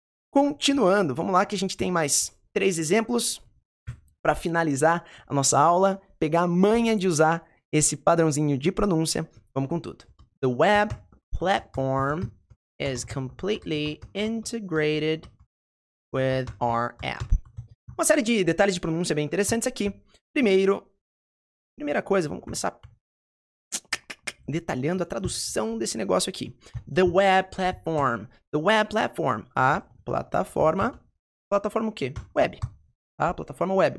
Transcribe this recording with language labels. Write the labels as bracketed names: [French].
[Portuguese] Continuando, vamos lá que a gente tem mais 3 exemplos para finalizar a nossa aula, pegar a manha de usar esse padrãozinho de pronúncia. Vamos com tudo. [English] The web platform is completely integrated with our app. [Portuguese] Uma série de detalhes de pronúncia bem interessantes aqui. Primeira coisa, vamos começar detalhando a tradução desse negócio aqui. [English] The web platform. The web platform. [Portuguese] A plataforma. Plataforma o quê? Web. A plataforma web.